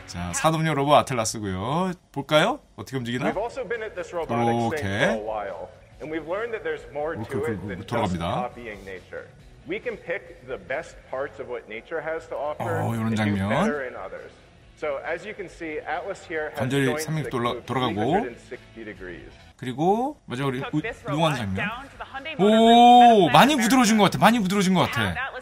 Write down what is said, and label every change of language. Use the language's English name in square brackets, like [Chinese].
[Korean] 자, 산업용 로봇 아틀라스고요. 볼까요? 어떻게 움직이나? 오케이. [English] And we've learned that there's more to it than just copying nature. We can pick the best parts of what nature has to offer and do better in others. So as you can see, Atlas here has joints that move 360 degrees. [Korean] 그리고 마지막으로 이동한 장면. 오, 많이 부드러워진 것 같아.